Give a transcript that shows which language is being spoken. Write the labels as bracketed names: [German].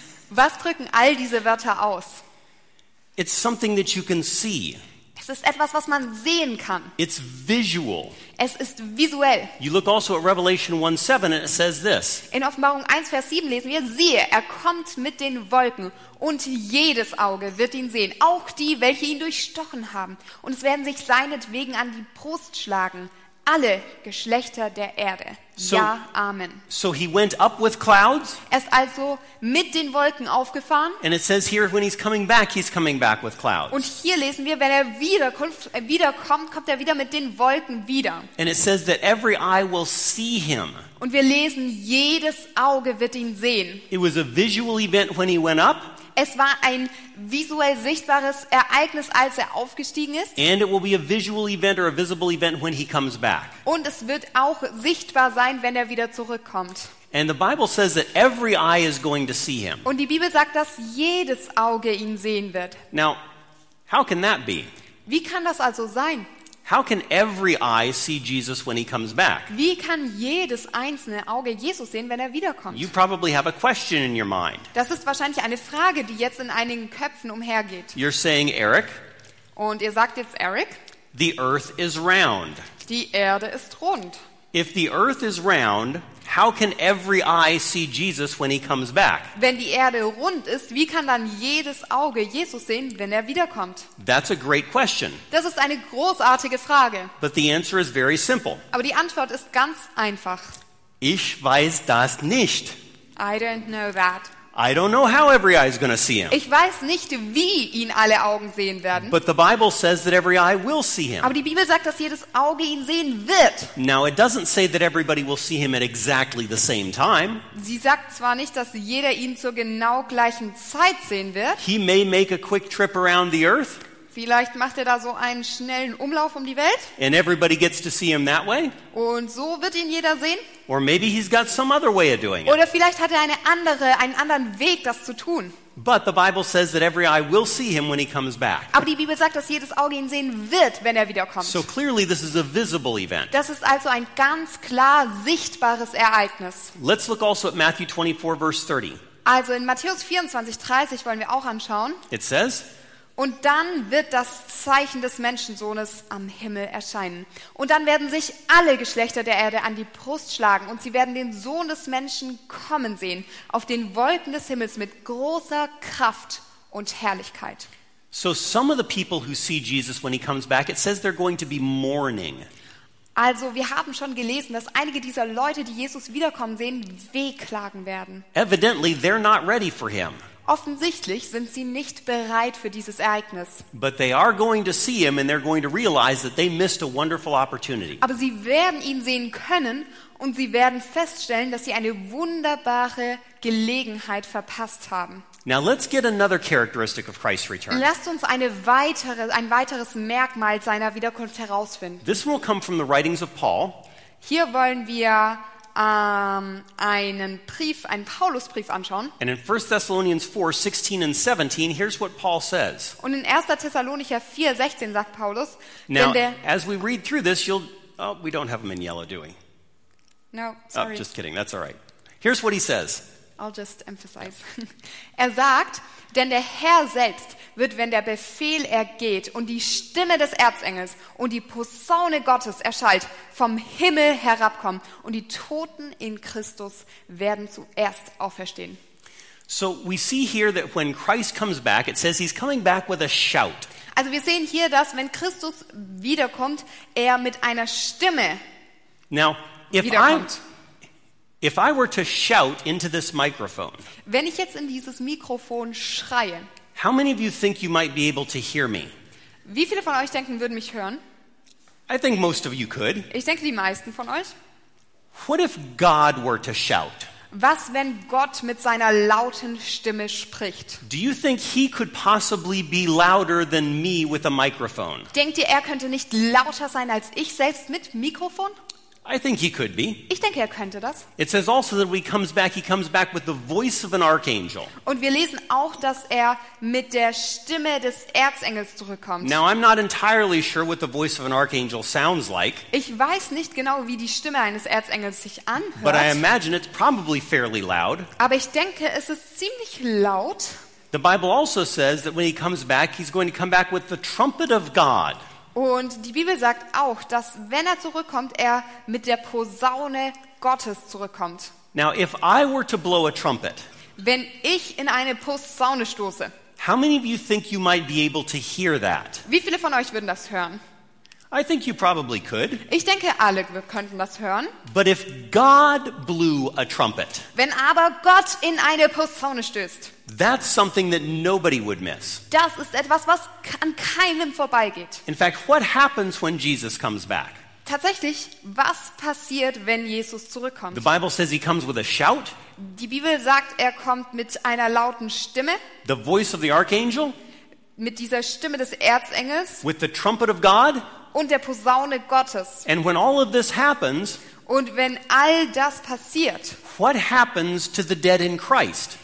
[German] Was drücken all diese Wörter aus? [English] It's something that you can see. [German] Es ist etwas, was man sehen kann. [English] It's visual. [German] Es ist visuell. [English] You look also at Revelation 1:7 and it says this. [German] In Offenbarung 1 Vers 7 lesen wir, siehe, er kommt mit den Wolken und jedes Auge wird ihn sehen, auch die, welche ihn durchstochen haben, und es werden sich seinetwegen an die Brust schlagen alle Geschlechter der Erde. [English] So, [German] ja, Amen. [English] So he went up with clouds. [German] Er ist also mit den Wolken aufgefahren. [English] And it says here when he's coming back with clouds. [German] Und hier lesen wir, wenn er wiederkommt, kommt er wieder mit den Wolken wieder. [English] And it says that every eye will see him. [German] Und wir lesen, jedes Auge wird ihn sehen. [English] It was a visual event when he went up. [German] Es war ein visuell sichtbares Ereignis, als er aufgestiegen ist. [English] And it will be a visual event or a visible event when he comes back. [German] Und es wird auch sichtbar sein, wenn er wieder zurückkommt. [English] And the Bible says that every eye is going to see him. [German] Und die Bibel sagt, dass jedes Auge ihn sehen wird. [English] Now, how can that be? [German] Wie kann das also sein? [English] How can every eye see Jesus when he comes back? [German] Wie kann jedes einzelne Auge Jesus sehen, wenn er wiederkommt? [English] You probably have a question in your mind. [German] Das ist wahrscheinlich eine Frage, die jetzt in einigen Köpfen umhergeht. [English] You're saying, Eric? [German] Und ihr sagt jetzt, Eric? [English] The earth is round. [German] Die Erde ist rund. [English] If the earth is round, how can every eye see Jesus when he comes back? [German] Wenn die Erde rund ist, wie kann dann jedes Auge Jesus sehen, wenn er wiederkommt? [English] That's a great question. [German] Das ist eine großartige Frage. [English] But the answer is very simple. [German] Aber die Antwort ist ganz einfach. Ich weiß das nicht. [English] I don't know that. I don't know how every eye is going to see him. [German] Ich weiß nicht, wie ihn alle Augen sehen werden. [English] But the Bible says that every eye will see him. [German] Aber die Bibel sagt, dass jedes Auge ihn sehen wird. [English] Now it doesn't say that everybody will see him at exactly the same time. [German] Sie sagt zwar nicht, dass jeder ihn zur genau gleichen Zeit sehen wird. [English] He may make a quick trip around the earth. [German] Vielleicht macht er da so einen schnellen Umlauf um die Welt. [English] And everybody gets to see him that way. [German] Und so wird ihn jeder sehen. [English] Or maybe he's got some other way of doing it. [German] Oder vielleicht hat er einen anderen Weg, das zu tun. [English] But the Bible says that every eye will see him when he comes back. [German] Aber die Bibel sagt, dass jedes Auge ihn sehen wird, wenn er wiederkommt. [English] So clearly this is a visible event. [German] Das ist also ein ganz klar sichtbares Ereignis. [English] Let's look also at Matthew 24, verse 30. [German] Also in Matthäus 24, 30 wollen wir auch anschauen. [English] It says, [German] Und dann wird das Zeichen des Menschensohnes am Himmel erscheinen. Und dann werden sich alle Geschlechter der Erde an die Brust schlagen und sie werden den Sohn des Menschen kommen sehen, auf den Wolken des Himmels mit großer Kraft und Herrlichkeit. [English] So some of the people who see Jesus when he comes back, it says they're going to be mourning. [German] Also wir haben schon gelesen, dass einige dieser Leute, die Jesus wiederkommen sehen, wehklagen werden. [English] Evidently they're not ready for him. [German] Offensichtlich sind sie nicht bereit für dieses Ereignis. [English] But they are going to see him and they're going to realize that they missed a wonderful opportunity. [German] Aber sie werden ihn sehen können und sie werden feststellen, dass sie eine wunderbare Gelegenheit verpasst haben. [English] Now let's get another characteristic of Christ's return. [German] Lasst uns ein weiteres Merkmal seiner Wiederkunft herausfinden. [English] This will come from the writings of Paul. [German] Hier wollen wir einen Paulusbrief anschauen. [English] And in 1 Thessalonians 4, 16 and 17, here's what Paul says. [German] Und in 1. Thessalonicher 4, 16 sagt Paulus, [English] now, [German] denn [English] as we read through this, you'll, oh, we don't have them in yellow, do we? No, sorry. Oh, just kidding, that's all right. Here's what he says. I'll just emphasize. [German] Er sagt, denn der Herr selbst wird, wenn der Befehl ergeht und die Stimme des Erzengels und die Posaune Gottes erschallt, vom Himmel herabkommen und die Toten in Christus werden zuerst auferstehen. [English] So we see here that when Christ comes back, it says he's coming back with a shout. [German] Also wir sehen hier, dass wenn Christus wiederkommt, er mit einer Stimme wiederkommt. [English] If I were to shout into this microphone, [German] wenn ich jetzt in dieses Mikrofon schreie, [English] how many of you think you might be able to hear me? [German] Wie viele von euch denken, würden mich hören? [English] I think most of you could. [German] Ich denke, die meisten von euch. [English] What if God were to shout? [German] Was, wenn Gott mit seiner lauten Stimme spricht? [English] Do you think he could possibly be louder than me with a microphone? [German] Denkt ihr, er könnte nicht lauter sein als ich selbst mit Mikrofon? [English] I think he could be. [German] Ich denke, er könnte das. [English] It says also that when he comes back with the voice of an archangel. [German] Und wir lesen auch, dass er mit der Stimme des Erzengels zurückkommt. [English] Now I'm not entirely sure what the voice of an archangel sounds like. [German] Ich weiß nicht genau, wie die Stimme eines Erzengels sich anhört. [English] But I imagine it's probably fairly loud. [German] Aber ich denke, es ist ziemlich laut. [English] The Bible also says that when he comes back, he's going to come back with the trumpet of God. [German] Und die Bibel sagt auch, dass wenn er zurückkommt, er mit der Posaune Gottes zurückkommt. [English] Now, if I were to blow a trumpet, [German] wenn ich in eine Posaune stoße, [English] how many of you think you might be able to hear that? [German] Wie viele von euch würden das hören? [English] I think you probably could. [German] Ich denke, alle könnten das hören. [English] But if God blew a trumpet, [German] wenn aber Gott in eine Posaune stößt, [English] that's something that nobody would miss. [German] Das ist etwas, was an keinem vorbeigeht. [English] In fact, what happens when Jesus comes back? [German] Tatsächlich, was passiert, wenn Jesus zurückkommt? [English] The Bible says he comes with a shout. [German] Die Bibel sagt, er kommt mit einer lauten Stimme. [English] The voice of the archangel. [German] Mit dieser Stimme des Erzengels. [English] With the trumpet of God. [German] Und der Posaune Gottes. [English] And when all of this happens, [German] und wenn all das passiert, [English] what happens to the dead in Christ?